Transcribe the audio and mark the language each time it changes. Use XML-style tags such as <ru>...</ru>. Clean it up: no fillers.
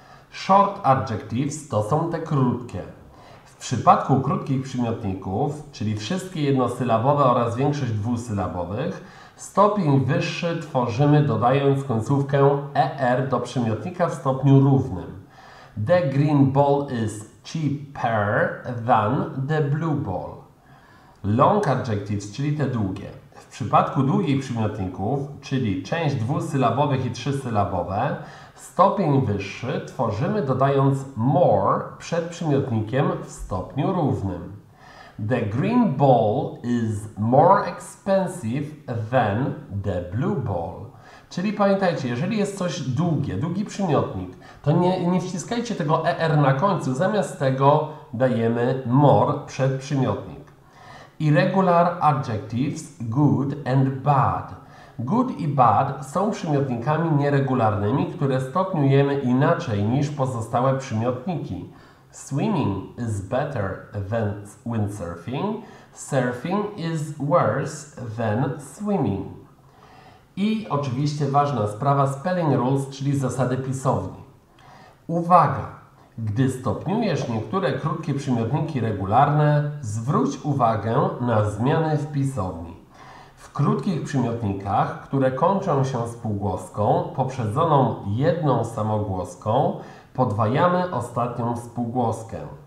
<en>Short adjectives</en> <pl>to są te krótkie. W przypadku krótkich przymiotników, czyli wszystkie jednosylabowe oraz większość dwusylabowych, stopień wyższy tworzymy dodając końcówkę er do przymiotnika w stopniu równym.</pl> <en>The green ball is cheaper than the blue ball. Long adjectives,</en> <pl>czyli te długie. W przypadku długich przymiotników, czyli część dwusylabowych i trzysylabowe, stopień wyższy tworzymy dodając more przed przymiotnikiem w stopniu równym.</pl> <en>The green ball is more expensive than the blue ball.</en> <pl>Czyli pamiętajcie, jeżeli jest coś długie, długi przymiotnik, to nie wciskajcie tego er na końcu, zamiast tego dajemy more przed przymiotnik.</pl> <en>Irregular adjectives good and bad.</en> <pl>Good i bad są przymiotnikami nieregularnymi, które stopniujemy inaczej niż pozostałe przymiotniki.</pl> <en>Swimming is better than windsurfing. Surfing is worse than swimming.</en> <pl>I oczywiście ważna sprawa,</pl> <en>spelling rules,</en> <pl>czyli zasady pisowni. Uwaga! Gdy stopniujesz niektóre krótkie przymiotniki regularne, zwróć uwagę na zmiany w pisowni. W krótkich przymiotnikach, które kończą się spółgłoską poprzedzoną jedną samogłoską, podwajamy ostatnią spółgłoskę.</pl>